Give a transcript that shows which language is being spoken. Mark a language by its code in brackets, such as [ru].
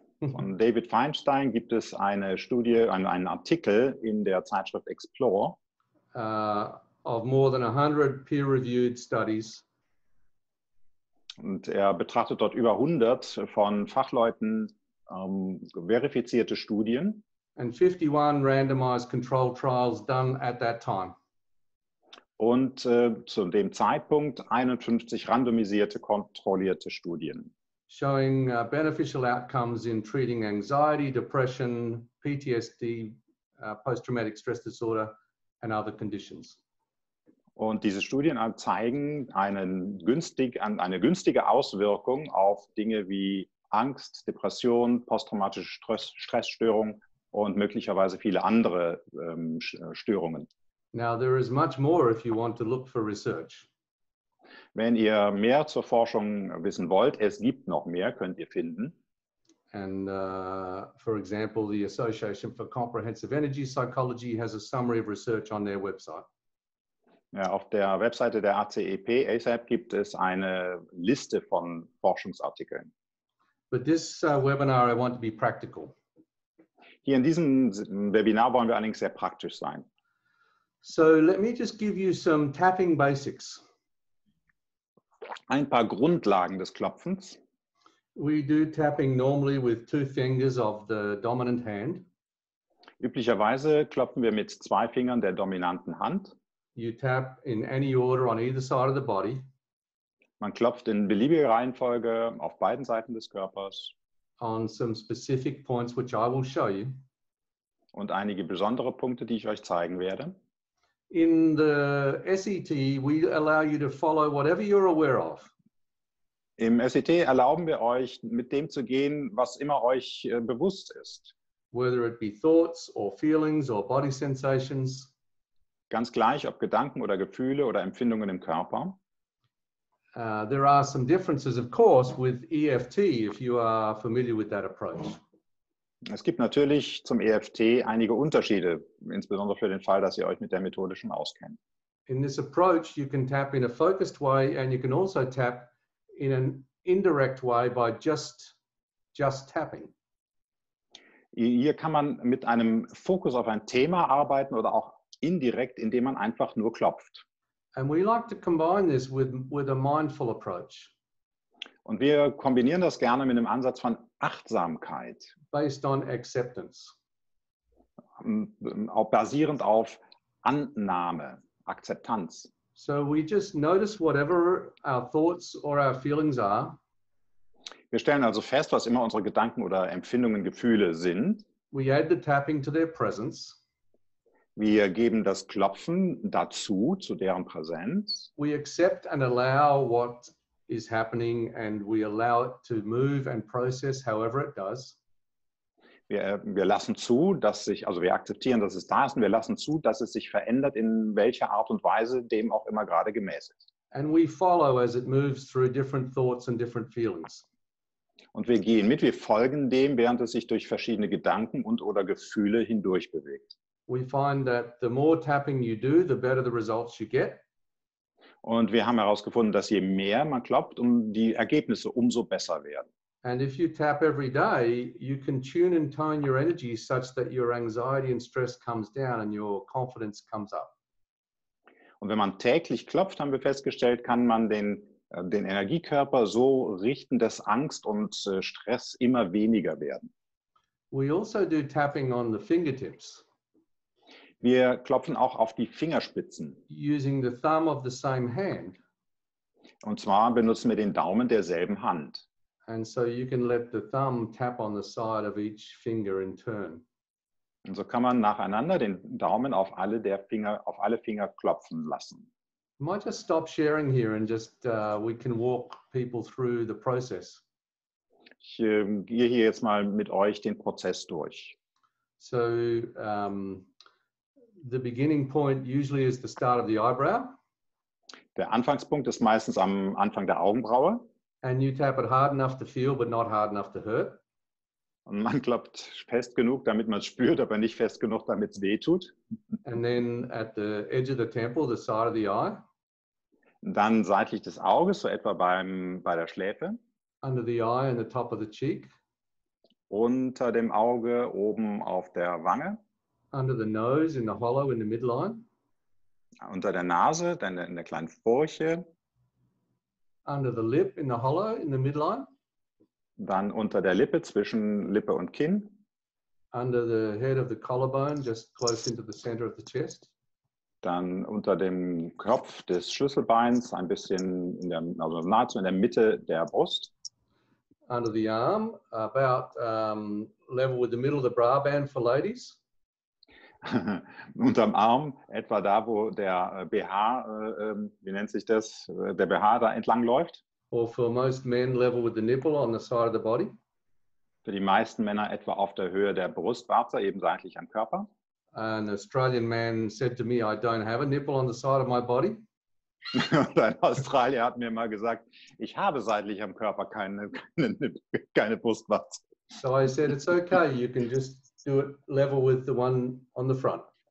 [de] Von David Feinstein gibt es eine Studie, einen Artikel in der Zeitschrift Explore. [en] Of more than 100 peer-reviewed studies. [de] Und er betrachtet dort über 100 von Fachleuten verifizierte Studien. [en] And 51 randomized control trials done at that time. [de] Und zu dem Zeitpunkt 51 randomisierte, kontrollierte Studien. [en] Showing beneficial outcomes in treating anxiety, depression, PTSD, post-traumatic stress disorder and other conditions. [de] Und diese Studien zeigen eine günstige Auswirkung auf Dinge wie Angst, Depression, posttraumatische Stressstörung und möglicherweise viele andere Störungen. [en] Now there is much more if you want to look for research. [de] Wenn ihr mehr zur Forschung wissen wollt, es gibt noch mehr, könnt ihr finden. [en] And for example, the Association for Comprehensive Energy Psychology has a summary of research on their website. [de] Ja, auf der Webseite der ACEP, ASAP, gibt es eine Liste von Forschungsartikeln. [en] But this webinar, I want to be practical. [de] Hier in diesem Webinar wollen wir allerdings sehr praktisch sein. [en] So let me just give you some tapping basics. [de] Ein paar Grundlagen des Klopfens. [en] We do tapping normally with 2 fingers of the dominant hand. [de] Üblicherweise klopfen wir mit 2 Fingern der dominanten Hand. [en] You tap in any order on either side of the body. [de] Man klopft in beliebiger Reihenfolge auf beiden Seiten des Körpers. [en] On some specific points which I will show you. [de] Und einige besondere Punkte, die ich euch zeigen werde. [en] In the SET, we allow you to follow whatever you're aware of. [de] Im SET erlauben wir euch, mit dem zu gehen, was immer euch bewusst ist. [en] Whether it be thoughts or feelings or body sensations. [de] Ganz gleich, ob Gedanken oder Gefühle oder Empfindungen im Körper. [en] There are some differences, of course, with EFT, if you are familiar with that approach. [de] Es gibt natürlich zum EFT einige Unterschiede, insbesondere für den Fall, dass ihr euch mit der Methode schon auskennt. [en] In this approach, you can tap in a focused way and you can also tap in an indirect way by just tapping. [de] Hier kann man mit einem Fokus auf ein Thema arbeiten oder auch indirekt, indem man einfach nur klopft. [en] And we like to combine this with a mindful approach. [de] Und wir kombinieren das gerne mit einem Ansatz von Achtsamkeit. [en] Based on acceptance. [de] Basierend auf Annahme, Akzeptanz. [en] So we just notice whatever our thoughts or our feelings are. [de] Wir stellen also fest, was immer unsere Gedanken oder Empfindungen, Gefühle sind. [en] We add the tapping to their presence. [de] Wir geben das Klopfen dazu, zu deren Präsenz. [en] We accept and allow what is happening and we allow it to move and process however it does. [de] Wir lassen zu, dass sich, also wir akzeptieren, dass es da ist und wir lassen zu, dass es sich verändert, in welcher Art und Weise, dem auch immer gerade gemäß ist. [en] And we follow as it moves through different thoughts and different feelings. [de] Und wir gehen mit, wir folgen dem, während es sich durch verschiedene Gedanken und oder Gefühle hindurch bewegt. [en] We find that the more tapping you do, the better the results you get. [de] Und wir haben herausgefunden, dass je mehr man klopft, die Ergebnisse umso besser werden. [en] And if you tap every day, you can tune and tone your energy such that your anxiety and stress comes down and your confidence comes up. [de] Und wenn man täglich klopft, haben wir festgestellt, kann man den Energiekörper so richten, dass Angst und Stress immer weniger werden. [en] We also do tapping on the fingertips. [de] Wir klopfen auch auf die Fingerspitzen. [en] Using the thumb of the same hand. [de] Und zwar benutzen wir den Daumen derselben Hand. [en] And so you can let the thumb tap on the side of each finger in turn. [de] Und so kann man nacheinander den Daumen auf alle der Finger auf alle Finger klopfen lassen. [en] Might just stop sharing here and just we can walk people through the process. [de] Ich gehe hier jetzt mal mit euch den Prozess durch. [en] So the beginning point usually is the start of the eyebrow. [de] Der Anfangspunkt ist meistens am Anfang der Augenbraue. [en] And you tap it hard enough to feel, but not hard enough to hurt. [de] Und man klopft fest genug, damit man es spürt, aber nicht fest genug, damit es weh tut. [en] And then at the edge of the temple, the side of the eye. Und [de] dann seitlich des Auges, so etwa bei der Schläfe. [en] Under the eye and the top of the cheek. [de] Unter dem Auge, oben auf der Wange. [en] Under the nose, in the hollow, in the midline. [de] Unter der Nase, dann in der kleinen Furche. [en] Under the lip, in the hollow, in the midline. [de] Dann unter der Lippe, zwischen Lippe und Kinn. [en] Under the head of the collarbone, just close into the center of the chest. [de] Dann unter dem Kopf des Schlüsselbeins, ein bisschen in der, also nahezu in der Mitte der Brust. [en] Under the arm, about level with the middle of the bra band for ladies. [de] Unterm Arm, etwa da, wo der BH, wie nennt sich das, der BH da entlang läuft. [en] Or for most men, level with the nipple on the side of the body. [de] Für die meisten Männer etwa auf der Höhe der Brustwarze, eben seitlich am Körper. [en] An Australian man said to me, I don't have a nipple on the side of my body. [de] Und ein Australier hat mir mal gesagt, ich habe seitlich am Körper keine Brustwarze. [en] So I said, it's okay, you can just do it level with the one on the front.